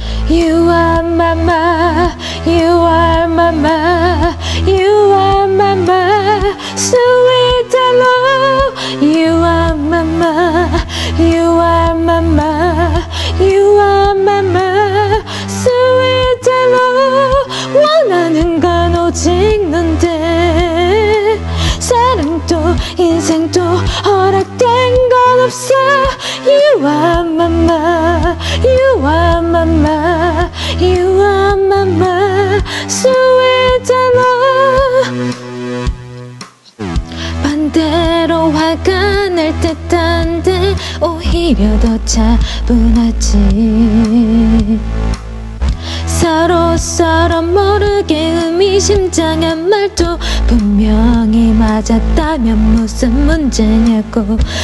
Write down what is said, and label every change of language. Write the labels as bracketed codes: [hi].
[en] You are my mind, you are my mind, you are my mind, sweet hello. You are my mind, you are my mind, you are my mind, sweet hello. [ko] 원하는 건 오직 넌데. 사랑도 인생도 허락된 건 없어. [en] You are my mind, you are my mind, you are my mind, sweet hello. [ko] 반대로 화가 날 듯한데 오히려 더 차분하지. 서로 서로 모르게 의미심장한 말도 분명히 맞았다면 무슨 문제냐고.